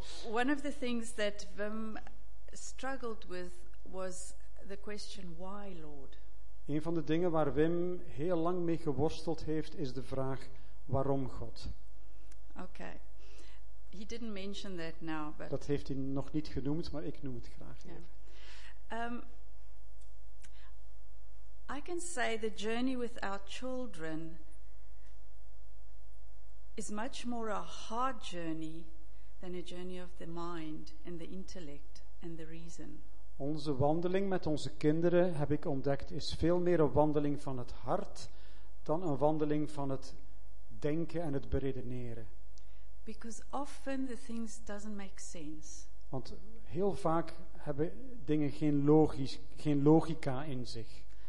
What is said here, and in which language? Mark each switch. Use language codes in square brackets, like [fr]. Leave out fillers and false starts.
[en] One of the things that Wim struggled with was the question, why, Lord? [nl] Een van de dingen waar Wim heel lang mee geworsteld heeft, is de vraag, waarom, God? [en] Okay. He didn't mention that now, but [nl] dat heeft hij nog niet genoemd, maar ik noem het graag even. [en] Yeah. I can say the journey with our children is much more a hard journey than a journey of the mind and the intellect and the reason. [nl] Onze wandeling met onze kinderen, heb ik ontdekt, is veel meer een wandeling van het hart dan een wandeling van het denken en het beredeneren. [en] Because often the things doesn't make sense. [nl] Want heel vaak hebben dingen geen logica in zich.